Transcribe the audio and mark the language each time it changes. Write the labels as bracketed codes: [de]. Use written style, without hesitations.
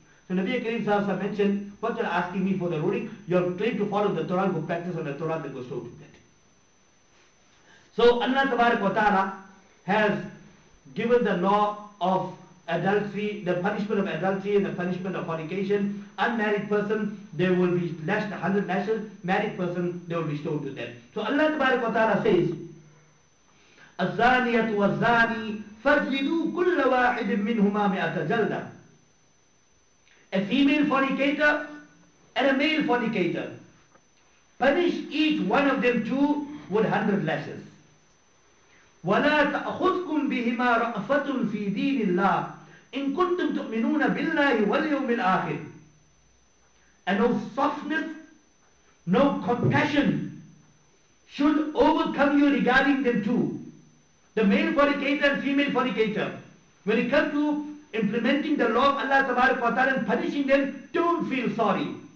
[en] So Nabi Kareem Sallallahu Alaihi Wasallam mentioned, what you're asking me for the ruling? You're claimed to follow the Torah, go practice on the Torah, then go slow to that. So Allah Tabarak wa Ta'ala has given the law of adultery, the punishment of adultery and the punishment of fornication. Unmarried person, they will be lashed 100 lashes. Married person, they will be stoned to death. So Allah Tabarak wa Ta'ala says, [ar] الزَّانِيَةُ وَالزَّانِي فَجْلِدُوا كُلَّ وَاحِدٍ مِّنْهُمَا مِئَةَ جَلْدًا. [en] A female fornicator and a male fornicator, punish each one of them two with 100 lashes. [ar] وَلَا تَأْخُذْكُمْ قلبهما رأفة في دين الله إن كنتم تؤمنون بالله واليوم الآخر. [en] And no softness, no compassion should overcome you regarding them too. The male fornicator and female fornicator. When it comes to implementing the law of Allah Tabaraka wa Ta'ala and punishing them, don't feel sorry.